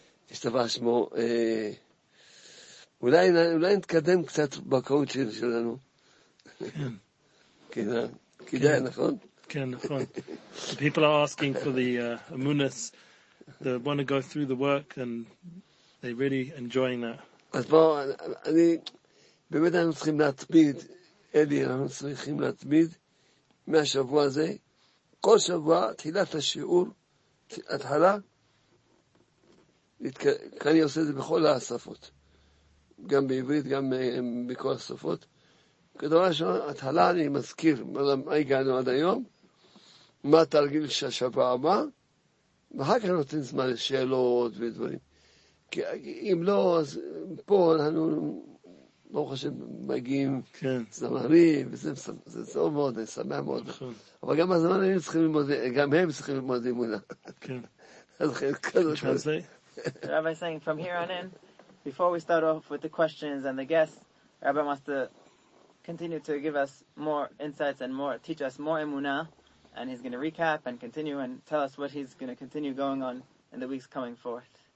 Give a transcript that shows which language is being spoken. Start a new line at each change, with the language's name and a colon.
Hebrew: יש דבר שמו, אולי נתקדם קצת בקום שלנו. כן. כדאי, נכון? כן, נכון.
English: People are asking for the Emunas, they want to go through the work, and they're really enjoying that.
Hebrew: אז בואו, אני, באמת אנחנו צריכים להתמיד, אלי, אנחנו צריכים להתמיד, מהשבוע הזה, כל שבוע, תחילת השיעור, התחלה, כי אני עושה את זה בכל השפות, גם בעברית, גם בכל השפות. כדבר שאני, התחלה, אני מזכיר מה הגענו עד היום, מה התרגיל של השבוע הבא, ואחר כך נותן זמן לשאלות ודברים. כי אם לא, אז פה אנחנו... לא חושב, מגיעים זמרים, וזה טוב מאוד, אני שמח מאוד. אבל גם הזמרים צריכים ללמוד, גם הם צריכים ללמוד אמונה. כן.
English: Rabbi saying, from here on in, before we start off with the questions and the guests, Rabbi wants to continue to give us more insights and more, teach us more emuna, and he's going to recap and continue and tell us what he's going to continue going on in the weeks coming forth.